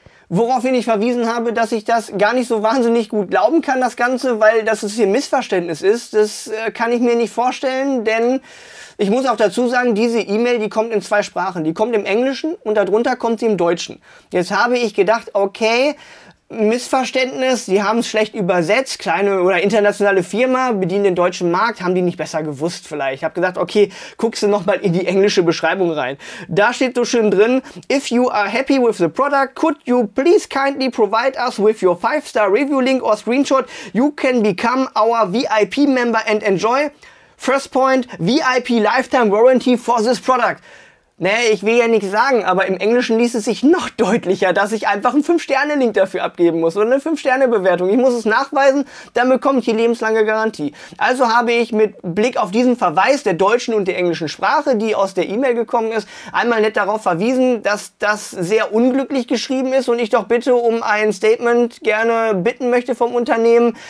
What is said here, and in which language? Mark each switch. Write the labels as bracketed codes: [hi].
[de] Woraufhin ich verwiesen habe, dass ich das gar nicht so wahnsinnig gut glauben kann, das Ganze, weil das hier ein Missverständnis ist, das kann ich mir nicht vorstellen, denn ich muss auch dazu sagen, diese E-Mail, die kommt in zwei Sprachen. Die kommt im Englischen und darunter kommt sie im Deutschen. Jetzt habe ich gedacht, okay, Missverständnis, die haben es schlecht übersetzt, kleine oder internationale Firma, bedienen den deutschen Markt, haben die nicht besser gewusst vielleicht. Ich habe gesagt, okay, guckst du nochmal in die englische Beschreibung rein. Da steht so schön drin, [en] if you are happy with the product, could you please kindly provide us with your 5-star review link or screenshot, you can become our VIP member and enjoy, first point, VIP lifetime warranty for this product. [de] Nee, ich will ja nichts sagen, aber im Englischen ließ es sich noch deutlicher, dass ich einfach einen 5-Sterne-Link dafür abgeben muss oder eine 5-Sterne-Bewertung. Ich muss es nachweisen, dann bekomme ich die lebenslange Garantie. Also habe ich mit Blick auf diesen Verweis der deutschen und der englischen Sprache, die aus der E-Mail gekommen ist, einmal nett darauf verwiesen, dass das sehr unglücklich geschrieben ist und ich doch bitte um ein Statement gerne bitten möchte vom Unternehmen.